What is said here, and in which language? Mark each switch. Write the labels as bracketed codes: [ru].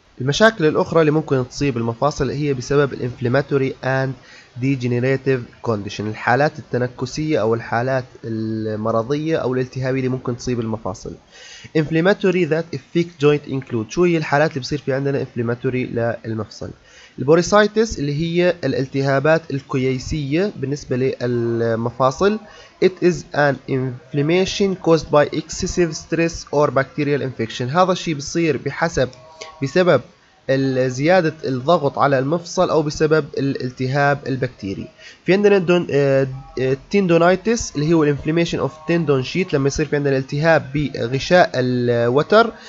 [ar] المشاكل الأخرى اللي ممكن تصيب المفاصل هي بسبب الانفلاماتوري [en] and degenerative condition [ar] الحالات التنكسية أو الحالات المرضية أو الالتهابية اللي ممكن تصيب المفاصل. [en] inflammatory that affect joint include [ar] شو هي الحالات اللي بصير في عندنا inflammatory للمفصل. البوريسايتس اللي هي الالتهابات الكويسية بالنسبة للمفاصل. [en] It is an inflammation caused by excessive stress or bacterial infection. [ar] هذا الشيء بصير بسبب زيادة الضغط على المفصل أو بسبب الالتهاب البكتيري. في عندنا التندونايتس اللي هو الانفلاميشن اوف تندون شيت لما يصير في عندنا التهاب بغشاء الوتر.